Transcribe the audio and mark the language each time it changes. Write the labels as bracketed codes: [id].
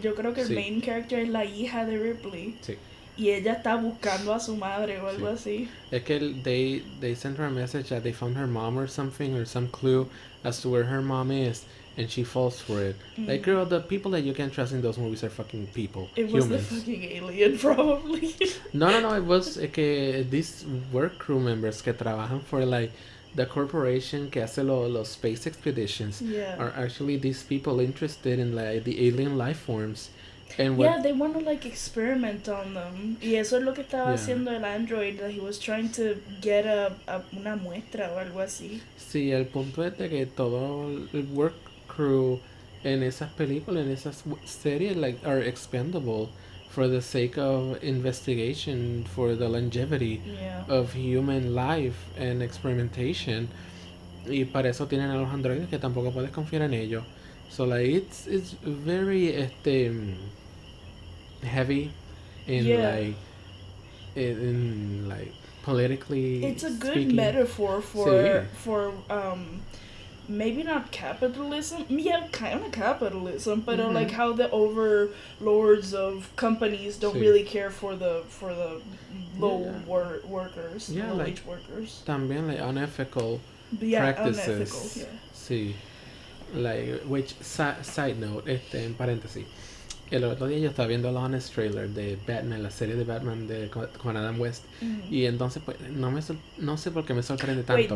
[es] Yo creo que el main character es la hija de Ripley. Sí. Y ella está buscando a su madre o algo así. Es que [en] they sent her a message that they found her mom or something, or some clue as to where her mom is. And she falls for it. Mm. Like, girl, the people that you can trust in those movies are fucking people. It was humans. The fucking alien, probably. No, it was que these work crew members [es] que trabajan [en] for, like, the corporation [es] que hace los [en] space expeditions yeah. are actually these people interested in, like, the alien life forms. They want to like experiment on them. [es] Y eso es lo que estaba haciendo el android, [en] that he was trying to get [es] a una muestra o algo así. Sí, el punto es de que todo el work crew en esas películas, en esas series, [en] like, are expendable for the sake of investigation, for the longevity of human life and experimentation. [es] Y para eso tienen a los androides, que tampoco puedes confiar en ellos. [en] So, like, it's very, heavy in, like, politically speaking. It's a good metaphor for, maybe not capitalism, kind of capitalism, but like how the overlords of companies don't really care for the low workers, low wage like, workers. También like unethical practices. Unethical, like, which side note, [es] en paréntesis, el otro día yo estaba viendo el Honest trailer de Batman, la serie de Batman de con Adam West, y entonces pues no sé por qué me sorprende tanto.